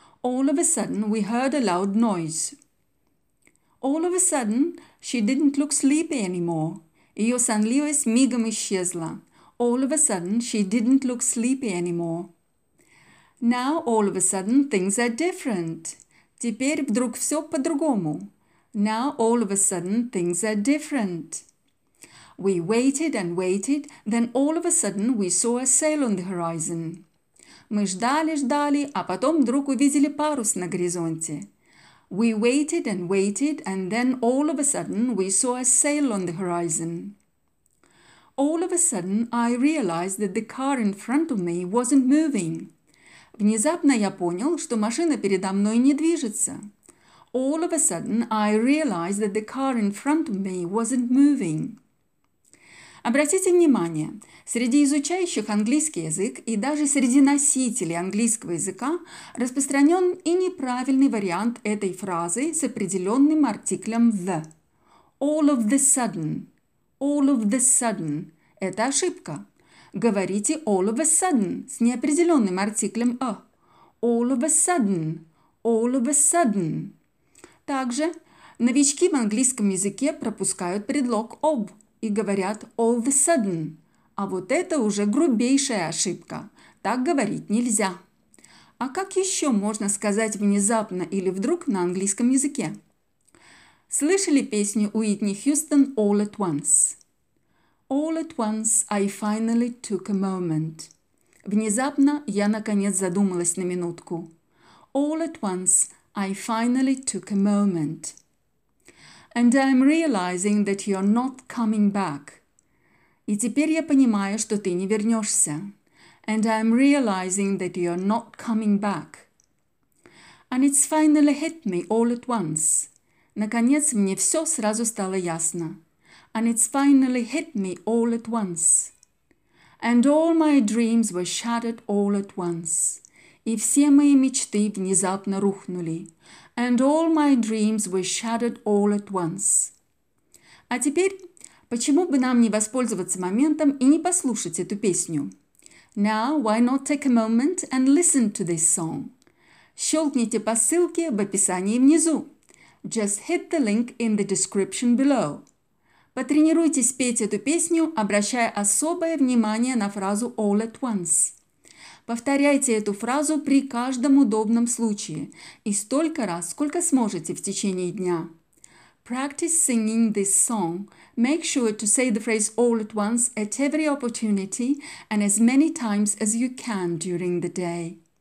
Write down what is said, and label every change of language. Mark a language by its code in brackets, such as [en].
[en] All of a sudden, we heard a loud noise. All of a sudden, she didn't look sleepy anymore. [ru] Ее сонливость мигом исчезла. [en] All of a sudden, she didn't look sleepy anymore. Now, all of a sudden, things are different. [ru] Теперь вдруг все по-другому. [en] Now, all of a sudden, things are different. We waited and waited, then all of a sudden we saw a sail on the horizon. [ru] Мы ждали-ждали, а потом вдруг увидели парус на горизонте. [en] We waited and waited, and then all of a sudden we saw a sail on the horizon. All of a sudden, I realized that the car in front of me wasn't moving. [ru] Внезапно я понял, что машина передо мной не движется. [en] All of a sudden, I realized that the car in front of me wasn't moving. [ru] Обратите внимание, среди изучающих английский язык и даже среди носителей английского языка распространен и неправильный вариант этой фразы с определенным артиклем the. [en] All of the sudden. All of the sudden. [ru] Это ошибка. Говорите [en] all of a sudden [ru] с неопределенным артиклем a. [en] All of a sudden. All of a sudden. [ru] Также новички в английском языке пропускают предлог of и говорят [en] all of a sudden. [ru] А вот это уже грубейшая ошибка. Так говорить нельзя. А как еще можно сказать внезапно или вдруг на английском языке? Слышали песню Уитни Хьюстон All at Once? [en] All at once I finally took a moment. [ru] Внезапно я наконец задумалась на минутку. [en] All at once I finally took a moment. And I'm realizing that you're not coming back. [ru] И теперь я понимаю, что ты не вернешься. [en] And I'm realizing that you're not coming back. And it's finally hit me all at once. [ru] Наконец мне все сразу стало ясно. [en] And it's finally hit me all at once. And all my dreams were shattered all at once. [ru] И все мои мечты внезапно рухнули. [en] And all my dreams were shattered all at once. [ru] А теперь, почему бы нам не воспользоваться моментом и не послушать эту песню? [en] Now, why not take a moment and listen to this song? [ru] Щелкните по ссылке в описании внизу. [en] Just hit the link in the description below. [ru] Потренируйтесь петь эту песню, обращая особое внимание на фразу [en] all at once. [ru] Повторяйте эту фразу при каждом удобном случае и столько раз, сколько сможете в течение дня. [en] Practice singing this song. Make sure to say the phrase all at once at every opportunity and as many times as you can during the day.